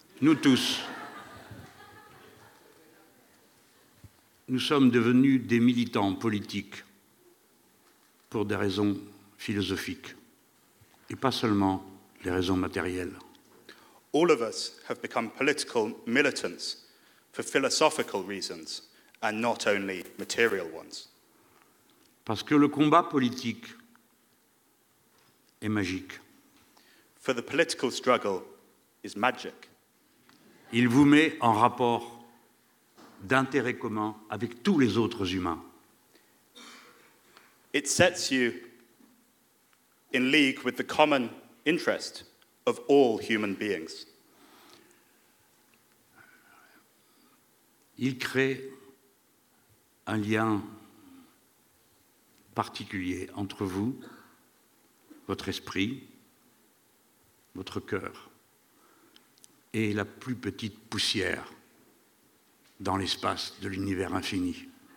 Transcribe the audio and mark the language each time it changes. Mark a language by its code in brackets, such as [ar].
[fr] Nous tous, nous sommes devenus des militants politiques pour des raisons philosophiques et pas seulement les raisons matérielles. [en] All of us have become political militants for philosophical reasons and not only material ones. [fr] Parce que le combat politique est magique. [en] For the political struggle is magic. [fr] Il vous met en rapport d'intérêt commun avec tous les autres humains. [en] It sets you in league with the common interest of all human beings. [fr] Il crée un lien particulier entre vous, votre esprit, votre cœur et la plus petite poussière dans l'espace de l'univers infini.